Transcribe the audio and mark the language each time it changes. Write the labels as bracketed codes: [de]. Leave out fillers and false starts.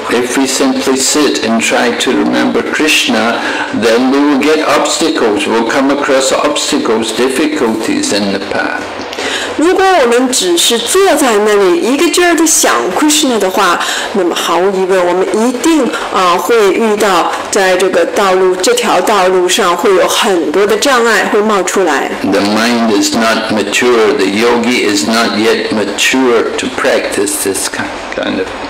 [zh] If we simply sit and try to remember Krishna, then we will get obstacles. We'll come across obstacles, difficulties in the path. 如果我们只是坐在那里一个劲儿地想 Krishna 的话，那么毫无疑问，我们一定会遇到在这条道路上会有很多的障碍会冒出来。 [en] The mind is not mature. The yogi is not yet mature to practice this kind of.